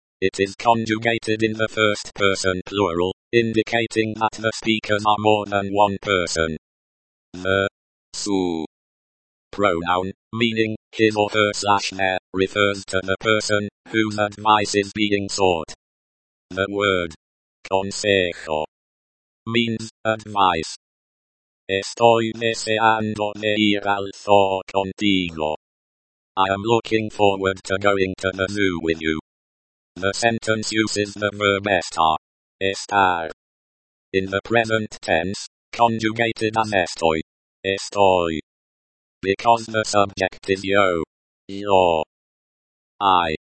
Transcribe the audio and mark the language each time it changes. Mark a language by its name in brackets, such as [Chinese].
[English] It is conjugated in the first person plural, indicating that the speakers are more than one person. The su pronoun, meaning his or her slash their, refers to the person whose advice is being sought. The word consejo means advice. [Spanish] Estoy deseando de ir al zoo contigo. [English] I am looking forward to going to the zoo with you. The sentence uses the verb estar. Estar. In the present tense, conjugated as estoy. Estoy. Because the subject is yo. Yo. I.